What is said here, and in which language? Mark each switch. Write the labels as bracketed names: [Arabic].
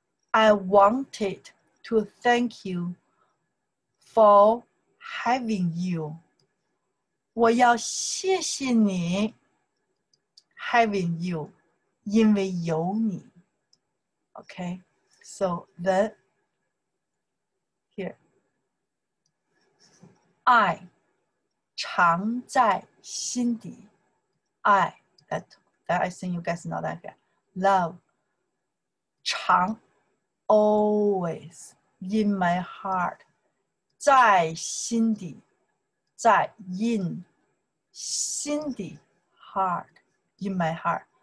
[English] I wanted to thank you for having you. [Chinese] 我要谢谢你 ， [English] having you， [Chinese] 因为有你。 [English] Okay, so then here, I [Chinese] 藏在心底 [English] ，I that. I think you guys know that again. Love, 常 always in my heart, [Chinese] 在心底， [English] 在 in 心底 heart in my heart.